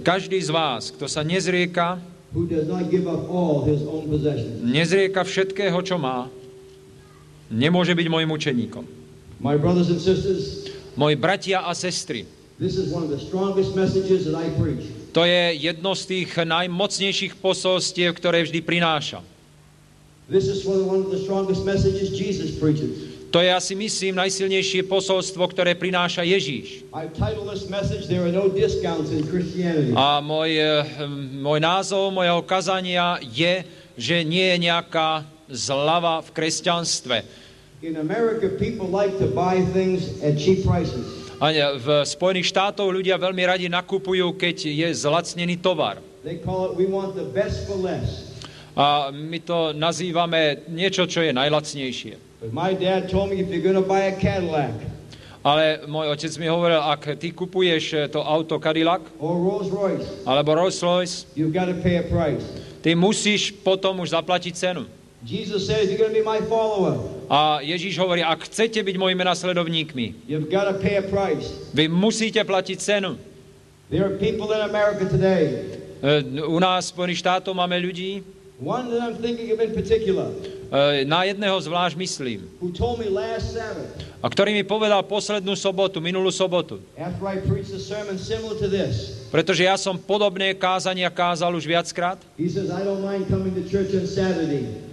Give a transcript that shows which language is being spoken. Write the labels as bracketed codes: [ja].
[sk] Každý z vás, kto sa nezrieka, [en] who does not give up all his own possessions. [sk] Nezrieka všetkého, čo má, nemôže byť môjim učeníkom. [en] My brothers and sisters, [sk] moji bratia a sestry, [en] this is one of the strongest messages that I preach. [sk] To je jedno z tých najmocnejších posolstiev, ktoré vždy prináša. [en] This is one of the strongest messages Jesus preaches. [sk] To je asi, myslím, najsilnejšie posolstvo, ktoré prináša Ježíš. [en] I've titled this message, there are no discounts in Christianity. [sk] A môj názov mojho kazania je, že nie je nejaká zľava v kresťanstve. [en] In America people like to buy things at cheap prices. [sk] A v Spojených štátoch ľudia veľmi radi nakupujú, keď je zlacnený tovar. [en] They call it, we want the best for less. [sk] A my to nazývame niečo, čo je najlacnejšie. [en] My dad told me, if you're gonna buy a Cadillac, [sk] ale môj otec mi hovoril, ak ty kupuješ to auto Cadillac [en] or Rolls Royce, [sk] alebo Rolls Royce, [en] you've got to pay a price. [sk] Ty musíš potom už zaplatiť cenu. [en] Jesus said, you're gonna be my follower. [sk] A Ježíš hovorí, ak chcete byť mojimi nasledovníkmi, [en] you've got to pay a price. [sk] Vy musíte platiť cenu. [en] There are people in America today. [sk] U nás v Spojených štátoch máme ľudí. [en] One that I'm thinking of in particular. [sk] Na jedného zvlášť myslím. [en] Who told me last Sabbath, [sk] a ktorý mi povedal poslednú sobotu, minulú sobotu. [en] After I preached a sermon similar to this. [sk] Pretože ja som podobné kázania kázal už viackrát. [en] He says, I don't mind coming to church on Saturday.